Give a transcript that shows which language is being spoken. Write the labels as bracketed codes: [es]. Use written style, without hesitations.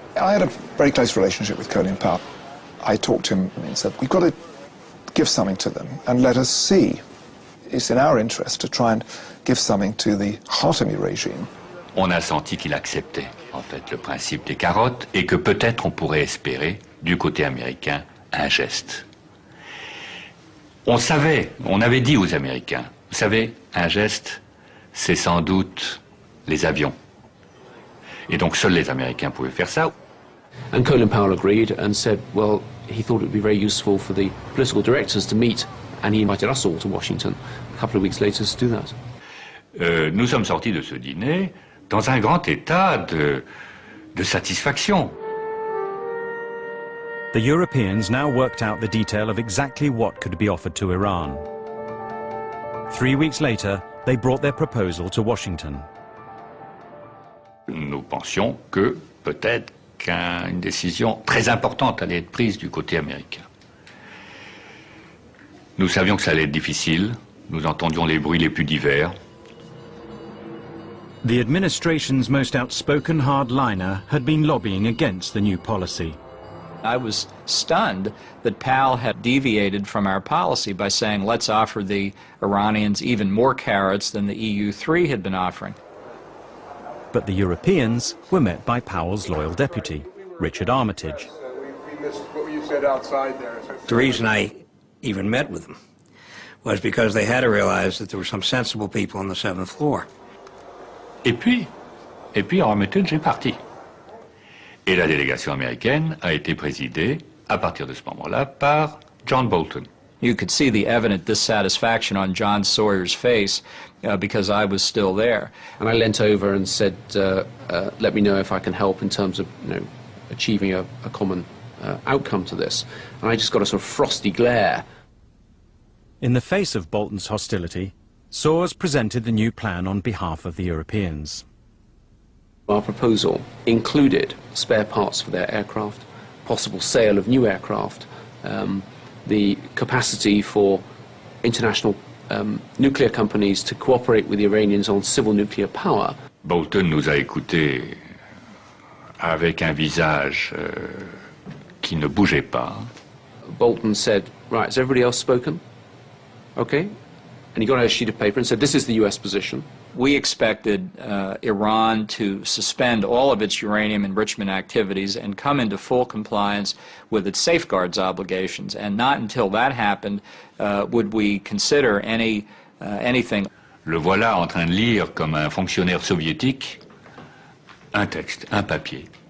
[en] I had a very close relationship with Colin Powell. I talked to him and said, we've got to give something to them and let us see. It's in our interest to try and give something to the Khatami regime. [fr] On a senti qu'il acceptait, en fait, le principe des carottes et que peut-être on pourrait espérer, du côté américain, un geste. On savait, on avait dit aux Américains, vous savez, un geste, c'est sans doute les avions. Et donc seuls les Américains pouvaient faire ça. [en] And Colin Powell agreed and said, well, he thought it would be very useful for the political directors to meet, and he invited us all to Washington a couple of weeks later to do that. [fr] Nous sommes sortis de ce dîner dans un grand état de satisfaction. [en] The Europeans now worked out the detail of exactly what could be offered to Iran. 3 weeks later, they brought their proposal to Washington. [fr] Nous pensions que peut-être qu'une décision très importante allait être prise du côté américain. Nous savions que ça allait être difficile. Nous entendions les bruits les plus divers. [en] The administration's most outspoken hardliner had been lobbying against the new policy. I was stunned that Powell had deviated from our policy by saying, let's offer the Iranians even more carrots than the EU3 had been offering. But the Europeans were met by Powell's loyal deputy, Richard Armitage. The reason I even met with them was because they had to realize that there were some sensible people on the seventh floor. [fr] Et puis Armitage est parti. Et la délégation américaine a été présidée à partir de ce moment-là par John Bolton. [en] You could see the evident dissatisfaction on John Sawyer's face because I was still there. And I leant over and said, let me know if I can help in terms of, you know, achieving a common outcome to this. And I just got a sort of frosty glare. In the face of Bolton's hostility, Soares presented the new plan on behalf of the Europeans. Our proposal included spare parts for their aircraft, possible sale of new aircraft, the capacity for international nuclear companies to cooperate with the Iranians on civil nuclear power. [fr] Bolton nous a écoutés avec un visage qui ne bougeait pas. [en] Bolton said, right, has everybody else spoken? Okay. And he got out a sheet of paper and said, this is the U.S. position. We expected Iran to suspend all of its uranium enrichment activities and come into full compliance with its safeguards obligations. And not until that happened would we consider anything. [fr] Le voilà en train de lire comme un fonctionnaire soviétique un texte, un papier.